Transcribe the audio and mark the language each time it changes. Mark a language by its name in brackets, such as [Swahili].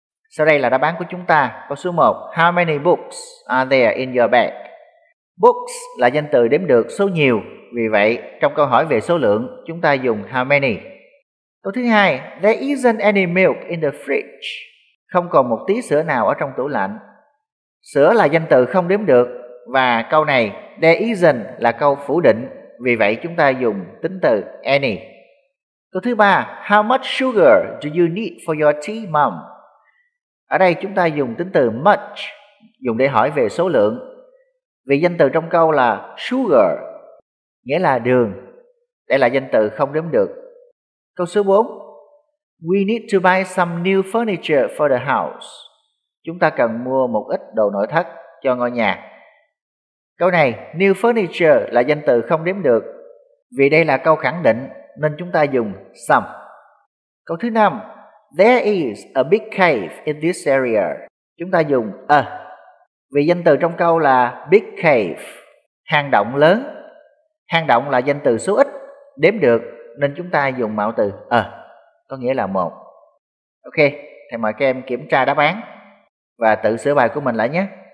[Vietnamese] Sau đây là đáp án của chúng ta. Câu số 1. [English] How many books are there in your bag? [Vietnamese] Books là danh từ đếm được số nhiều. Vì vậy, trong câu hỏi về số lượng, chúng ta dùng how many. Câu thứ 2. [English] There isn't any milk in the fridge. [Vietnamese] Không còn một tí sữa nào ở trong tủ lạnh. Sữa là danh từ không đếm được. Và câu này, there isn't là câu phủ định. Vì vậy, chúng ta dùng tính từ any. Câu thứ 3. [English] How much sugar do you need for your tea, mom? [Vietnamese] Ở đây chúng ta dùng tính từ much, dùng để hỏi về số lượng. Vì danh từ trong câu là sugar, nghĩa là đường. Đây là danh từ không đếm được. Câu số 4. [English] We need to buy some new furniture for the house. [Vietnamese] Chúng ta cần mua một ít đồ nội thất cho ngôi nhà. Câu này, new furniture là danh từ không đếm được. Vì đây là câu khẳng định nên chúng ta dùng some. Câu thứ 5. [English] There is a big cave in this area. [Vietnamese] Chúng ta dùng a. Vì danh từ trong câu là big cave, hang động lớn. Hang động là danh từ số ít, đếm được, nên chúng ta dùng mạo từ a, có nghĩa là một. Ok, thầy mời các em kiểm tra đáp án và tự sửa bài của mình lại nhé.